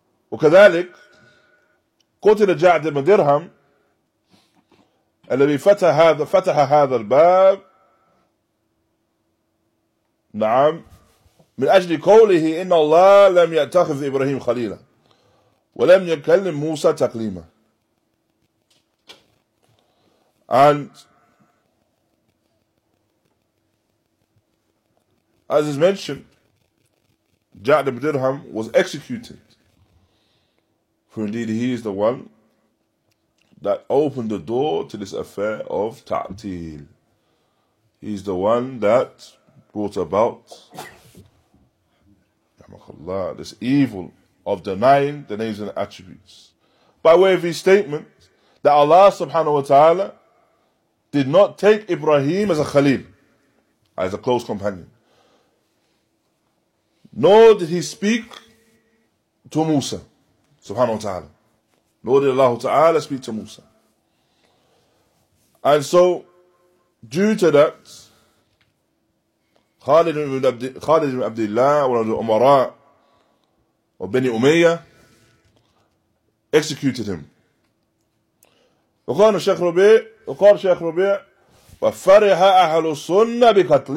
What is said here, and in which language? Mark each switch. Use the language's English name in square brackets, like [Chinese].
[Arabic] وكذلك قتل Ja'ad ibn Dirham الذي فتح هذا الباب نعم من أجل قوله إن الله لم يتخذ إبراهيم خليلا ولم يكلم موسى تكليما. [English] And as is mentioned, Ja'd ibn Dirham was executed, for indeed he is the one that opened the door to this affair of ta'til. He's the one that brought about this evil of denying the names and attributes by way of his statement that Allah subhanahu wa ta'ala did not take Ibrahim as a Khalil, as a close companion. Nor did he speak to Musa subhanahu wa ta'ala. Nor did Allah ta'ala speak to Musa. And so, due to that, Khalid ibn Abdullah, one of the Umara of Bani Umayyah, executed him. [Arabic] وقال شيخ ربيع, وفرح أهل السنة بقتله.